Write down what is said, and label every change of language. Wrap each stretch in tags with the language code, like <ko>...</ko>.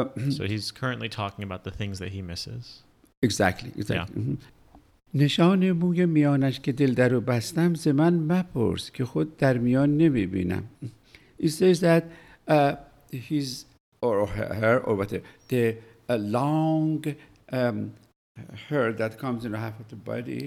<en>so he's currently talking about the things that he misses. Exactly.</en> <fa>نشان موی میانش که دل درو بستم ز من مپرس که خود در میان نمیبینم.</fa> <en>it says that his or her or whatever, the long hair that comes in half of the body.</en>